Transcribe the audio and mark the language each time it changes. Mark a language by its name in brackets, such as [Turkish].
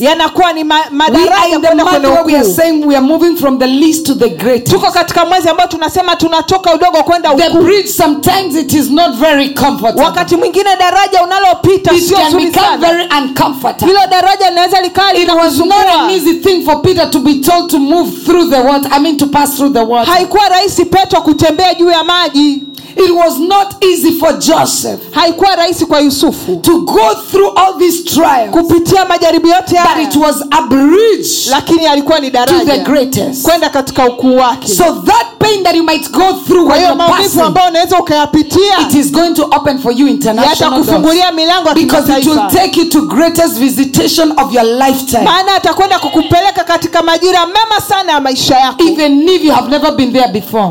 [Swahili] Yanakuwa ni madaraja kwenda kwenye ukuu. [English] We are saying we are moving from the least to the greatest. [Swahili] Tuko katika mwezi ambao tunasema tunatoka udogo kwenda ukuu. [English] The bridge sometimes it is not very comfortable. [Swahili] Wakati mwingine daraja unalopita sio nzuri sana. [English] It can become very uncomfortable. [Swahili] Hilo daraja linaweza likali. [English] It was not an easy thing for Peter to be told to move through the water. I mean to pass through the water. [Swahili] Haikuwa rahisi Petro kutembea juu ya maji. [English] It was not easy for Joseph. [Swahili] Haikuwa rahisi kwa Yusufu. [English] To go through all these trials. [Swahili] Kupitia majaribu yote haya. [English] But it was a bridge. [Swahili] Lakini alikuwa ni daraja. [English] To the greatest. [Swahili] Kwenda katika ukuu wake. [English] So that pain that you might go through when you're passing. [Swahili] Kwa hiyo maumivu ambayo unaweza ukayapitia. [English] It is going to open for you international doors. [Swahili] Yatakufungulia milango ya kimataifa. [English] Because it will take you to greatest visitation of your lifetime. [Swahili] Maana atakwenda kukupeleka katika majira mema sana ya maisha yako. [English] Even if you have never been there before.